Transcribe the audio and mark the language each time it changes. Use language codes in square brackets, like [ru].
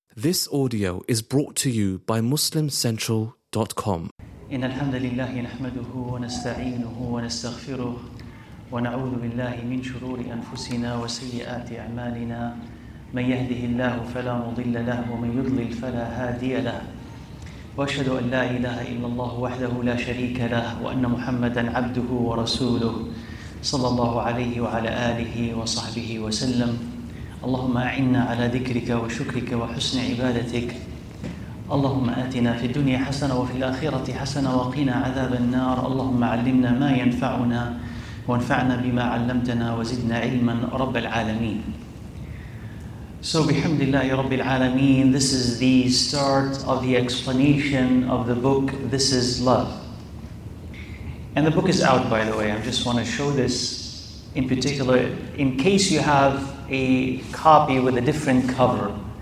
[en] This audio is brought to you by MuslimCentral.com. [ar] إن الحمد لله نحمده ونستعينه ونستغفره ونعوذ بالله من شرور أنفسنا وسيئات أعمالنا من يهده الله فلا مضل له ومن يضلل فلا هادي له وأشهد أن لا إله إلا الله وحده لا شريك له وأن محمدا عبده ورسوله صلى الله عليه وعلى آله وصحبه وسلم اللهم أعنا على ذكرك وشكرك وحسن عبادتك اللهم آتنا في الدنيا حسنة وفي الآخرة حسنة وقنا عذاب النار اللهم علمنا ما ينفعنا وانفعنا بما علمتنا وزدنا علما رب العالمين. [en] So bihamdillahi rabbil alameen, this is the start of the explanation of the book This Is Love. And the book is out, by the way. I just want to show this in particular in case you have a copy with a different cover.